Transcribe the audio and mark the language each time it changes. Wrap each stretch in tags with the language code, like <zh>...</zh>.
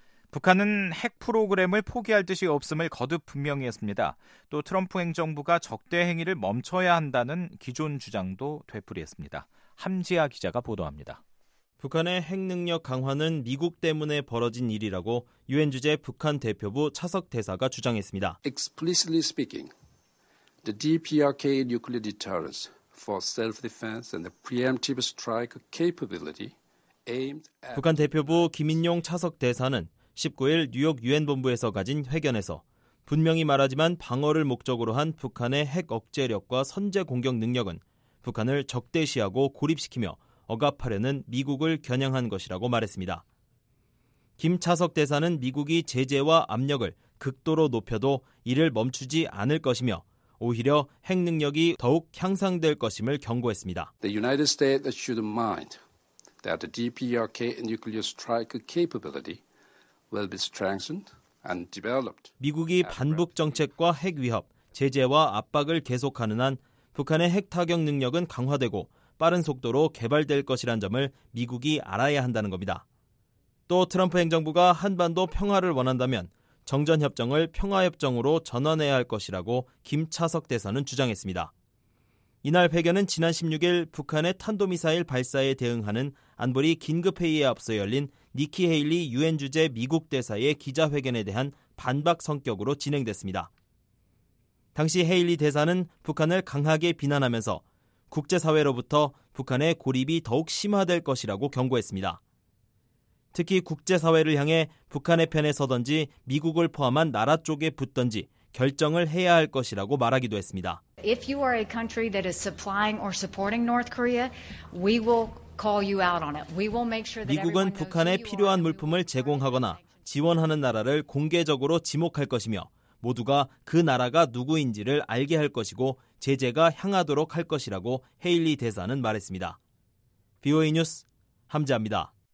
<ko>북한은 핵 프로그램을 포기할 뜻이 없음을 거듭 분명히 했습니다. 또 트럼프 행정부가 적대 행위를 멈춰야 한다는 기존 주장도 되풀이했습니다. 함지아 기자가 보도합니다. 북한의 핵 능력 강화는 미국 때문에 벌어진 일이라고 유엔 주재 북한 대표부 차석 대사가 주장했습니다.</ko> <en>Explicitly speaking, the DPRK nuclear deterrence for self-defense and the preemptive strike capability aimed at</en> <ko>북한 대표부 김인용 차석 대사는 19일 뉴욕 유엔 본부에서 가진 회견에서 분명히 말하지만 방어를 목적으로 한 북한의 핵 억제력과 선제 공격 능력은 북한을 적대시하고 고립시키며 억압하려는 미국을 겨냥한 것이라고 말했습니다. 김차석 대사는 미국이 제재와 압력을 극도로 높여도 이를 멈추지 않을 것이며 오히려 핵 능력이 더욱 향상될 것임을 경고했습니다.</ko> <en>The United States should mind that the DPRK nuclear strike capability will be strengthened and developed.</en> <ko>미국이 반북 정책과 핵 위협, 제재와 압박을 계속하는 한 북한의 핵 타격 능력은 강화되고 빠른 속도로 개발될 것이란 점을 미국이 알아야 한다는 겁니다. 또 트럼프 행정부가 한반도 평화를 원한다면 정전협정을 평화협정으로 전환해야 할 것이라고 김차석 대사는 주장했습니다. 이날 회견은 지난 16일 북한의 탄도미사일 발사에 대응하는 안보리 긴급회의에 앞서 열린 니키 헤일리 유엔 주재 미국 대사의 기자회견에 대한 반박 성격으로 진행됐습니다. 당시 헤일리 대사는 북한을 강하게 비난하면서 국제사회로부터 북한의 고립이 더욱 심화될 것이라고 경고했습니다. 특히 국제사회를 향해 북한의 편에 서든지 미국을 포함한 나라 쪽에 붙든지 결정을 해야 할 것이라고 말하기도 했습니다.</ko> <en>If you are a country that is supplying or supporting North Korea, we will call you out on it. We will make sure that</en> <ko>미국은 북한에 필요한 물품을 제공하거나 지원하는 나라를 공개적으로 지목할 것이며 모두가 그 나라가 누구인지를 알게 할 것이고 제재가 향하도록 할 것이라고 헤일리 대사는 말했습니다. VOA 뉴스 함재합니다.</ko>